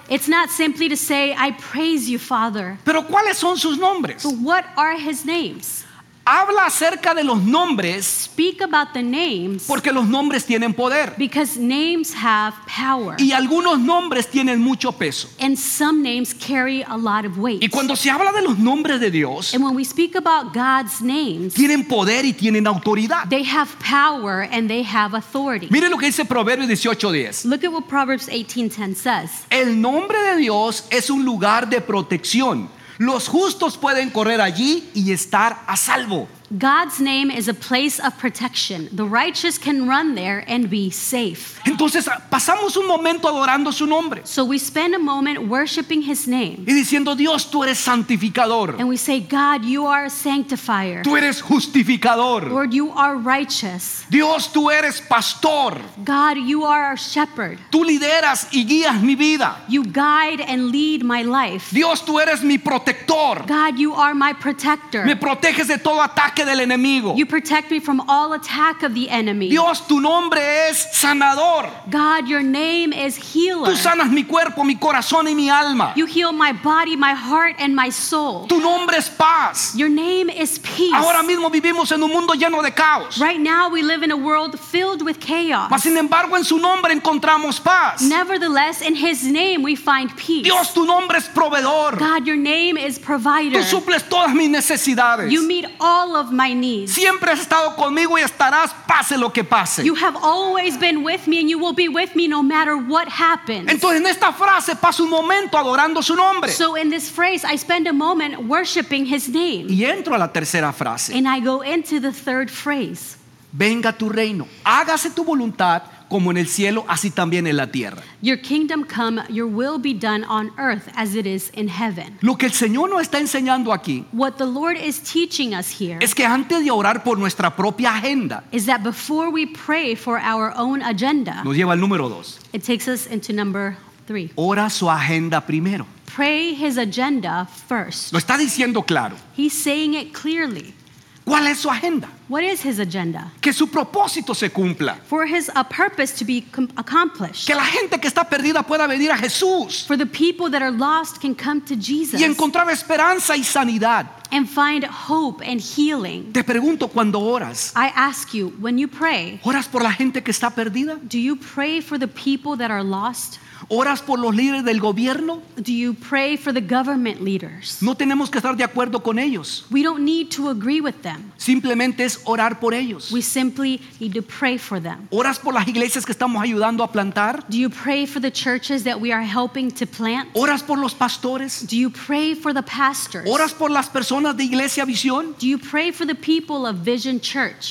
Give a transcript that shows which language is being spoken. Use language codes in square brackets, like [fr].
[en] It's not simply to say I praise you, Father. [es] Pero ¿cuáles son sus nombres? [en] But what are His names? [es] Habla acerca de los nombres. [en] Speak about the names. [es] Porque los nombres tienen poder. [en] Because names have power. [es] Y algunos nombres tienen mucho peso. [en] And some names carry a lot of weight. [es] Y cuando se habla de los nombres de Dios, [en] and when we speak about God's names, [es] tienen poder y tienen autoridad. [en] They have power and they have authority. [es] Mire lo que dice Proverbios 18:10. [en] Look at what Proverbs 18:10 says. [es] El nombre de Dios es un lugar de protección. Los justos pueden correr allí y estar a salvo. [en] God's name is a place of protection. The righteous can run there and be safe. [es] Entonces, pasamos un momento adorando su nombre. [en] So we spend a moment worshiping His name. [es] Y diciendo, Dios, tú eres santificador. [en] And we say, God, you are a sanctifier. [es] Tú eres justificador. [en] Lord, you are righteous. [es] Dios, tú eres pastor. [en] God, you are our shepherd. [es] Tú lideras y guías mi vida. [en] You guide and lead my life. [es] Dios, tú eres mi protector. [en] God, you are my protector. [es] Me proteges de todo ataque. [en] You protect me from all attack of the enemy. [es] Dios, tu nombre es sanador. [en] God, your name is healer. [es] Tú sanas mi cuerpo, mi corazón y mi alma. [en] You heal my body, my heart, and my soul. [es] Tu nombre es paz. [en] Your name is peace. [es] Ahora mismo vivimos en un mundo lleno de caos. [en] Right now we live in a world filled with chaos. [es] Mas sin embargo en su nombre encontramos paz. [en] Nevertheless, in His name we find peace. [es] Dios, tu nombre es proveedor. [en] God, your name is provider. [es] Tú suples todas mis necesidades. [en] You meet all of my needs. [es] Siempre has estado conmigo y estarás pase lo que pase. [en] You have always been with me and you will be with me no matter what happens. [es] Entonces en esta frase paso un momento adorando su nombre. [en] So in this phrase I spend a moment worshiping His name. [es] Y entro a la tercera frase. [en] And I go into the third phrase. [es] Venga tu reino, hágase tu voluntad como en el cielo, así también en la tierra. [en] Your kingdom come, your will be done on earth as it is in heaven. [es] Lo que el Señor nos está enseñando aquí, [en] what the Lord is teaching us here, [es] es que antes de orar por nuestra propia agenda, [en] is that before we pray for our own agenda, [es] nos lleva al número dos. [en] It takes us into number three. [es] Ora su agenda primero. [en] Pray His agenda first. [es] Lo está diciendo claro. [en] He's saying it clearly. [es] ¿Cuál es su agenda? [en] What is his agenda? [es] Que su propósito se cumpla. [en] For his a purpose to be accomplished. [es] Que la gente que está perdida pueda venir a Jesús. [en] For the people that are lost can come to Jesus. [es] Y encontrar esperanza y sanidad. [en] And find hope and healing. [es] Te pregunto, cuando oras, [en] I ask you, when you pray, [es] ¿oras por la gente que está perdida? [en] Do you pray for the people that are lost? [es] ¿Oras por los líderes del gobierno? [en] Do you pray for the government leaders? [es] No tenemos que estar de acuerdo con ellos. [en] We don't need to agree with them. [es] Simplemente es orar por ellos. [en] We simply need to pray for them. [es] ¿Oras por las iglesias que estamos ayudando a plantar? [en] Do you pray for the churches that we are helping to plant? [es] ¿Oras por los pastores? [en] Do you pray for the pastors? [es] ¿Oras por las personas de Iglesia Visión? [en] Do you pray for the people of Vision Church?